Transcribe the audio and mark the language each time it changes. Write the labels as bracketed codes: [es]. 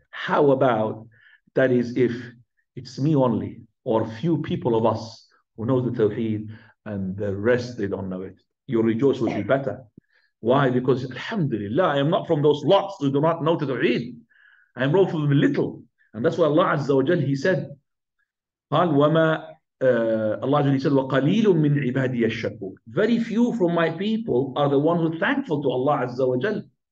[en] How about, that is, if it's me only, or few people of us who know the Tawheed, and the rest, they don't know it. Your rejoice would be better. Why? Because, alhamdulillah, I am not from those lots who do not know the Tawheed. I am wrong from them little. And that's why Allah Azza wa Jal, He said, [ar] Allah Jalla said, وَقَلِيلٌ مِّنْ عِبَادِيَ الشَّكُورُ. [en] Very few from my people are the ones who are thankful to Allah Azza wa Jal.